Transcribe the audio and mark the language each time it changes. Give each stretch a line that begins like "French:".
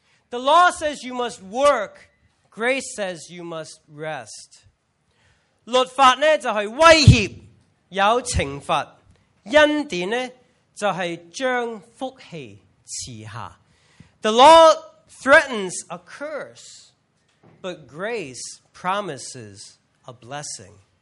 English: The law says you must work, grace says you must rest.
Chinese: 律法呢,就是威胁,有惩罚,恩典呢, 就是将福气赐下。
English: The law threatens a curse, but grace promises a blessing.